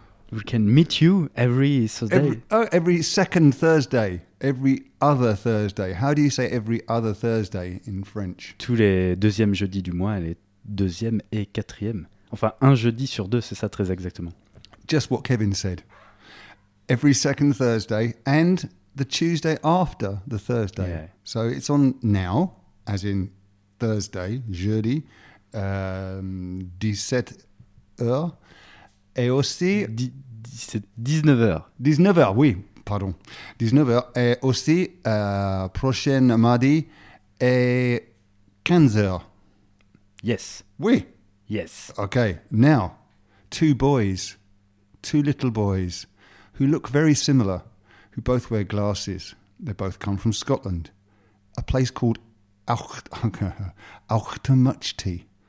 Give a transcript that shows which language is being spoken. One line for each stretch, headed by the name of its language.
English: We can meet you every Thursday. Every second Thursday, every other Thursday. How do you say every other Thursday in French?
French: Tous les deuxièmes jeudis du mois, les deuxième et quatrième. Enfin, un jeudi sur deux, c'est ça très exactement.
English: Just what Kevin said. Every second Thursday and the Tuesday after the Thursday. Yeah. So it's on now, as in Thursday, jeudi, 17h,
French: et aussi... 19h, oui, pardon. 19h et aussi prochaine mardi et 15h.
English: Yes.
French: Oui.
English: Yes. Okay, now, two little boys who look very similar, who both wear glasses. They both come from Scotland, a place called Auchtermuchty.